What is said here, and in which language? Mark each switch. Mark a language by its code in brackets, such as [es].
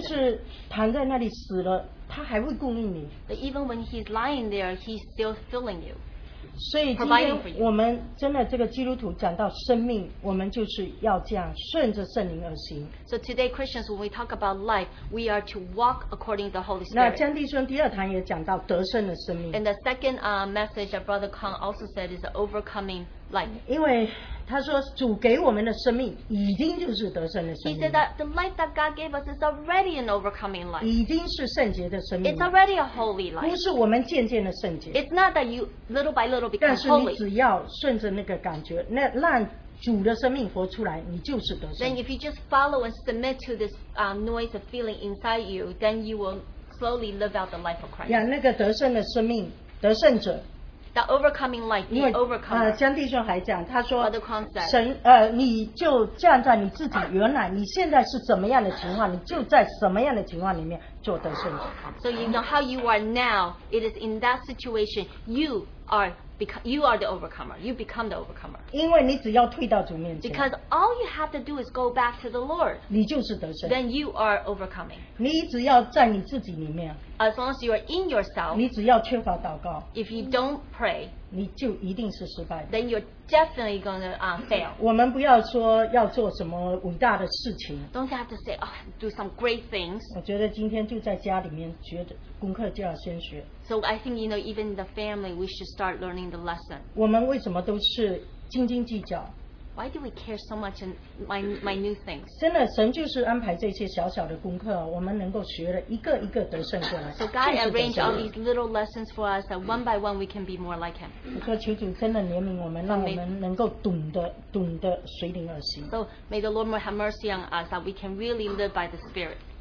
[zh] 就是躺在那里死了，他还会供应你。 [en] But even when he's lying there, he's still filling you. [zh] 所以今天我们真的这个基督徒讲到生命，我们就是要这样顺着圣灵而行。 [en] So today Christians, when we talk about life, we are to walk according to the Holy Spirit. [zh] 那江弟兄第二堂也讲到得胜的生命。 [en] And the second message that Brother Kong also said is overcoming life. [zh] 因为他说主给我们的生命已经就是得胜的生命。 [en] He said that the life that God gave us is already an overcoming life. [zh] 已经是圣洁的生命。 [en] It's already a holy life. [zh] 不是我们渐渐的圣洁。 [en] It's not that you little by little become holy. [zh] 但是你只要顺着那个感觉，那让主的生命活出来，你就是得胜。 [en] Then if you just follow and submit to this noise of feeling inside you, then you will slowly live out the life of Christ. [zh] 那个得胜的生命，得胜者。 [en] That overcoming life, the overcomer. [zh] 江弟兄还讲，他说， [en] Brother Kong said, [zh] 神，你就站在你自己原来，你现在是怎么样的情况，你就在什么样的情况里面做得胜者。 [en] So you know how you are now. It is in that situation you are the overcomer. You become the overcomer. [zh] 因为你只要退到主面前。 [en] Because all you have to do is go back to the Lord. [zh] 你就是得胜。 [en] Then you are overcoming. [zh] 你只要在你自己里面。 [en] As long as you are in yourself, [zh] 你只要缺乏祷告, [en] if you don't pray, [zh] 你就一定是失败的, [en] then you're definitely going to fail. [zh] 我们不要说要做什么伟大的事情, [en] don't have to say, oh, do some great things. [zh] 我觉得今天就在家里面觉得功课就要先学。 [en] So I think, you know, even in the family, we should start learning the lesson. [zh] 我们为什么都是斤斤计较? [en] Why do we care so much in my new things? [zh] 真的，神就是安排这些小小的功课，我们能够学了一个一个得胜过来。 [en] So God arranged all these little lessons for us that one by one we can be more like Him. [zh] 我说求主真的怜悯我们，让我们能够懂得随灵而行。 [en] So may the Lord have mercy on us that we can really live by the Spirit.